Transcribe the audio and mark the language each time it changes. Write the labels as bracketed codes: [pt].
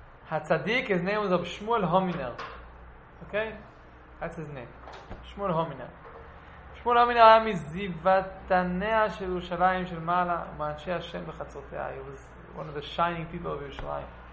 [en] Hatzadik, his name was Shmuel Hominer. Okay? That's his name. Shmuel Hominer. [he] Shmuel Hominer היה מזיבתניה של ירושלים של מעלה, מאנשי השם בחצרותיה. [en] He was one of the shining people of Yerushalayim.